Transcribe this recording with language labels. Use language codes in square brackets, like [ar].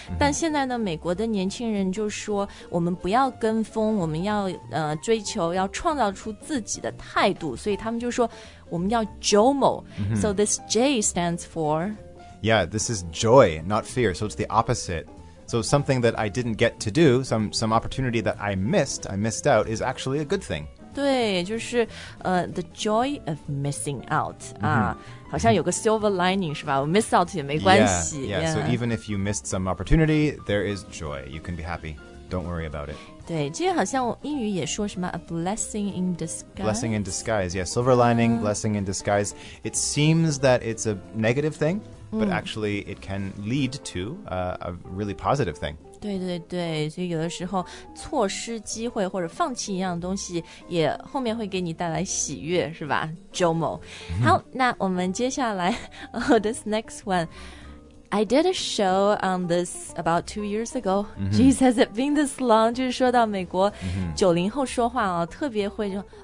[zh] 但现在呢美国的年轻人就说我们不要跟风我们要、追求要创造出自己的态度所以他们就说我们要 JOMO、mm-hmm. [en] So this J stands for Yeah, this is joy, not fear So it's the oppositeSo something that I didn't get to do, some opportunity that I missed out, is actually a good thing. [zh] 对,就是、 [en] the joy of missing out.、Mm-hmm. [zh] 好像有个 silver lining, 是吧 ? [en] Miss out [zh] 也没关系。 [en] Yeah, yeah. yeah, so even if you missed some opportunity, there is joy. You can be happy. Don't worry about it. [zh] 对,这好像英语也说什么 [en] a blessing in disguise. Blessing in disguise, yeah. Silver lining,、blessing in disguise. It seems that it's a negative thing. But actually, it can lead to、a really positive thing. [zh] 对对对，所以有的时候错失机会或者放弃一样东西，也后面会给你带来喜悦，是吧 ？JOMO. 好，那我们接下来、 [en] this next one. I did a show on this about 2 years ago.、Mm-hmm. Geez, has it been this long? [zh] 就是说到美国90后说话哦，特别会说。